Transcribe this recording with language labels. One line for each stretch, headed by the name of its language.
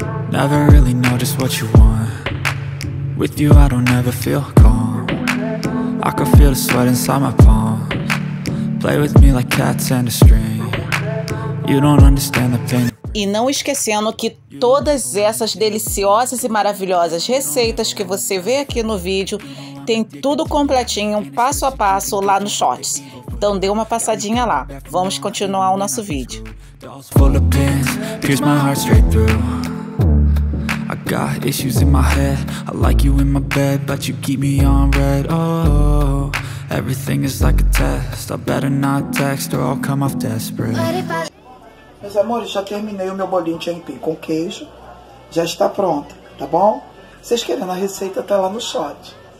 English: Never really know just what you want. With you I don't ever feel calm. I can feel the sweat inside my palms. Play with me like cats and a string. You don't understand the pain.
Portuguese: E não esquecendo que todas essas deliciosas e maravilhosas receitas que você vê aqui no vídeo tem tudo completinho, passo a passo, lá no Shorts. Então dê uma passadinha lá. Vamos continuar o nosso vídeo.
English: Full of pins, pierce my heart straight through. I got issues in my head. I like you in my bed, but you keep me on red. Oh, everything is like a test. I better not text or I'll come off desperate.
Portuguese: Meus amores, já terminei o meu bolinho de aipim com queijo. Já está pronto, tá bom? Vocês querendo a receita, tá lá no shot.